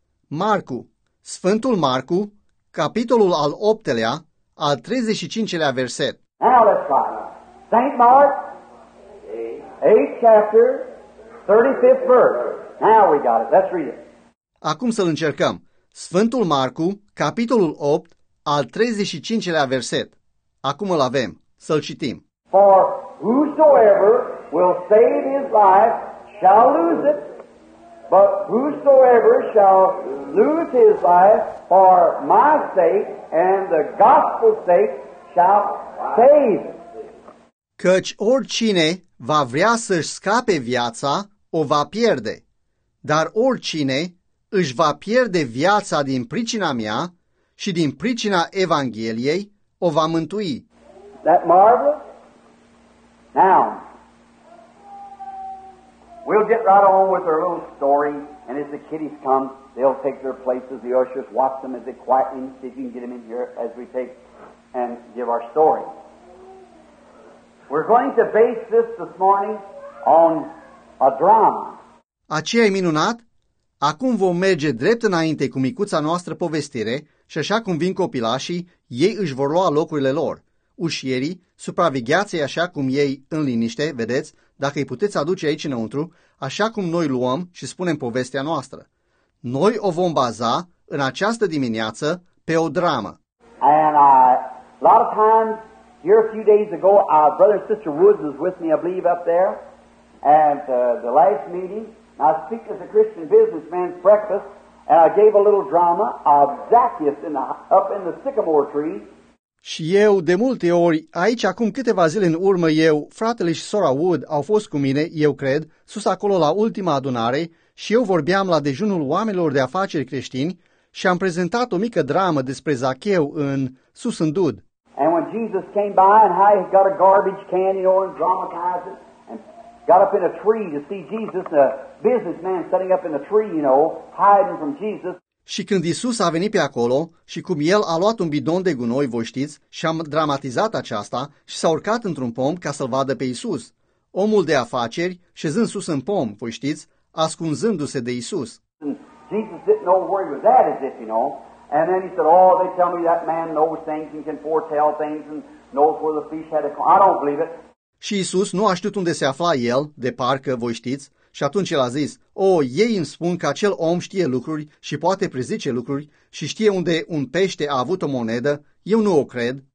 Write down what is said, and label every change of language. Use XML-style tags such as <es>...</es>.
<ro>Marcu, Sfântul Marcu, capitolul al 8-lea, al 35-lea verset.</ro> <en>Now let's try. St. Mark, 8th chapter, 35th verse. Now we got it. Let's read it.</en> <ro>Acum să-l încercăm. Sfântul Marcu, capitolul 8, al 35-lea verset. Acum îl avem. Să-l citim.</ro> <en>For whosoever will save his life shall lose it. But whosoever shall lose his life for my sake and the gospel's sake shall save.</en> <ro>Căci oricine va vrea să-și scape viața, o va pierde. Dar oricine își va pierde viața din pricina mea și din pricina Evangheliei, o va mântui.</ro> <en>That marvel? Now, we'll get right on with our little story, and as the kiddies come, they'll take their places. The ushers watch them as they quiet in, see if you can get them in here as we take and give our story. We're going to base this morning on a drama.</en> <ro>Aceea e minunat? Acum vom merge drept înainte cu micuța noastră povestire și așa cum vin copilașii, ei își vor lua locurile lor. Ușierii, supravegheați-i așa cum ei, în liniște, vedeți, dacă îi puteți aduce aici înăuntru, așa cum noi luăm și spunem povestea noastră. Noi o vom baza, în această dimineață, pe o dramă.</ro> <en>And a lot of times, here a few days ago, our brother and sister Woods was with me, I believe, up there, at the last meeting. I speak as a Christian businessman's breakfast, and I gave a little drama of Zacchaeus up in the sycamore tree.</en> <ro>Și eu, de multe ori, aici acum câteva zile în urmă, eu, fratele și sora Wood au fost cu mine, eu cred, sus acolo la ultima adunare și eu vorbeam la dejunul oamenilor de afaceri creștini și am prezentat o mică dramă despre Zacheu în Sus în Dud.</ro> <en>And when Jesus came by and how he got a garbage can, you know, and dramatized it, and got up in a tree to see Jesus, a businessman sitting up in a tree, you know, hiding from Jesus.</en> <ro>Și când Iisus a venit pe acolo și cum el a luat un bidon de gunoi, voi știți, și am dramatizat aceasta și s-a urcat într-un pom ca să-l vadă pe Iisus. Omul de afaceri, șezând sus în pom, voi știți, ascunzându-se de Iisus.</ro> <en>Jesus didn't know where he was at, as if you know. And then he said, oh, they tell me that man knows things and can foretell things and knows where the fish had to come. I don't believe it.</en> <ro>Și Iisus nu a știut unde se afla el, de parcă, voi știți, și atunci el a zis, o, ei îmi spun că acel om știe lucruri și poate prezice lucruri și știe unde un pește a avut o monedă, eu nu o cred.</ro>